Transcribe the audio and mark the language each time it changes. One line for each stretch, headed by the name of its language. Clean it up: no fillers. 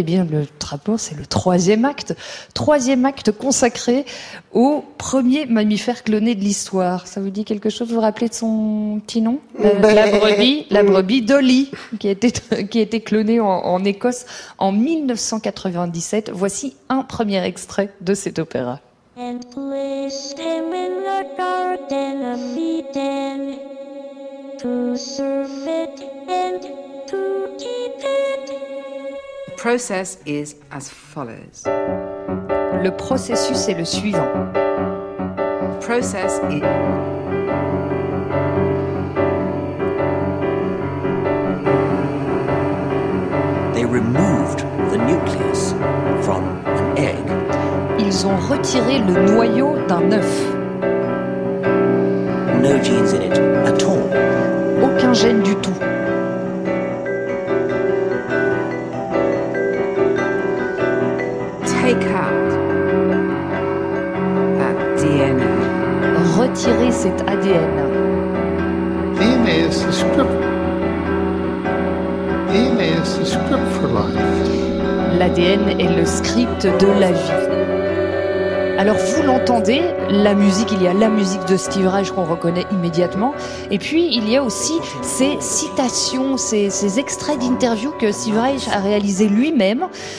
French: Eh bien, le rapport, c'est le troisième acte. Troisième acte consacré au premier mammifère cloné de l'histoire. Ça vous dit quelque chose? Vous vous rappelez de son petit nom? La brebis Dolly. Qui a été cloné en Écosse en 1997. Voici un premier extrait de cet opéra.
English: And placed him in the garden of Eden to serve it and to keep it. The process is as follows.
French: Le processus est le suivant.
English: The process is... Removed the nucleus from an egg.
French: Ils ont retiré le noyau d'un œuf.
English: No genes in it at all.
French: Aucun gène du tout.
English: Take out that DNA.
French: Retirer cet ADN.
English: DNA is the script. DNA is the script for life.
French: L'ADN est le script de la vie. Alors vous l'entendez, la musique, il y a la musique de Steve Reich qu'on reconnaît immédiatement, et puis il y a aussi ces citations, ces extraits d'interviews que Steve Reich a réalisé lui-même,